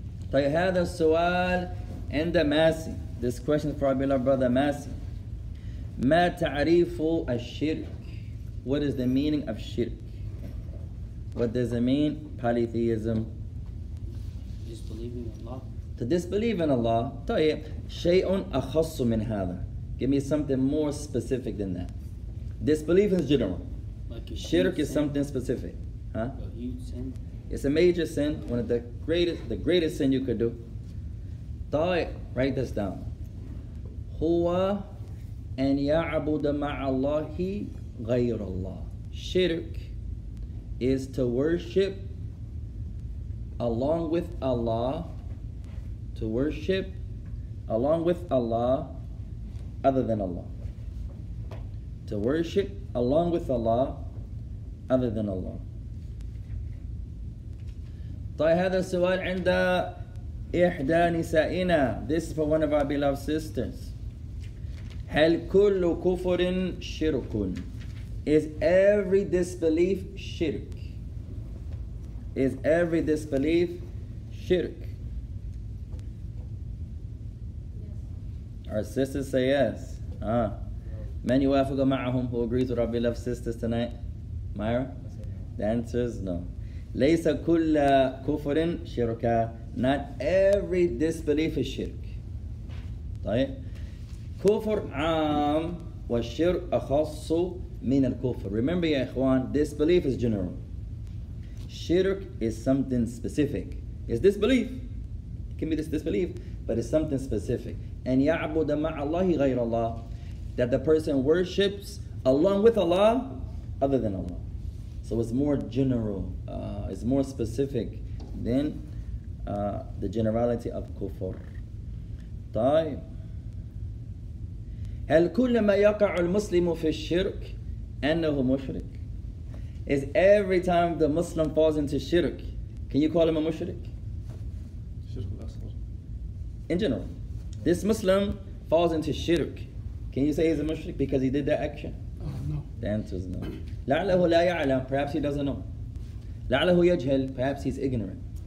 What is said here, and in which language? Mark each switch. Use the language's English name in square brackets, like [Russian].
[English] So [Arabic] هذا السؤال عند ماسي. [English] This question is for our beloved brother ماسي. [Arabic] ما تعريف الشرك. [English] What is the meaning of shirk? What does it mean? Polytheism. Disbelieving Allah. To disbelieve in Allah. [Arabic] طيب شيء أخص من هذا. [English] Give me something more specific than that. Disbelief is general. Like shirk is sin. Something specific. Huh? A huge sin. It's a major sin, one of the greatest sin you could do. طيب, write this down. [Arabic] هو أن يعبد مع الله غير الله. [English] Shirk is to worship along with Allah, to worship along with Allah other than Allah. To worship along with Allah other than Allah. [Arabic] طيب هذا السؤال عند إحدى نسائنا. [English] This is for one of our beloved sisters. [Arabic] هل كل كفر شرك؟ [English] Is every disbelief shirk? Is every disbelief shirk? Our sisters say yes. [Arabic] من يوافق معهم. [English] Who agrees with our beloved sisters tonight? Myra? The answer is no. [Arabic] ليس كل كفر شركا. [English] Not every disbelief is shirk. [Arabic] طيب كفر عام والشرك أخص من الكفر. [English] Remember [Arabic] يا إخوان, [English] disbelief is general. Shirk is something specific. It's disbelief. It can be this disbelief, but it's something specific. [Arabic] أن يعبد مع الله غير الله. [English] That the person worships along with Allah other than Allah. So it's more general, it's more specific than the generality of kufr. طيب. [Arabic] هل كل ما يقع المسلم في الشرك أنه مشرك? [English] Is every time the Muslim falls into shirk, can you call him a mushrik? [Arabic] Shirk al-Asghar. [English] In general, this Muslim falls into shirk. Can you say he's a mushrik because he did that action? No. The answer is no. [Arabic] لَعْلَهُ لَا يَعْلَمْ [English] Perhaps he doesn't know. [Arabic] لَعْلَهُ يَجْهَلْ [English] Perhaps he's ignorant.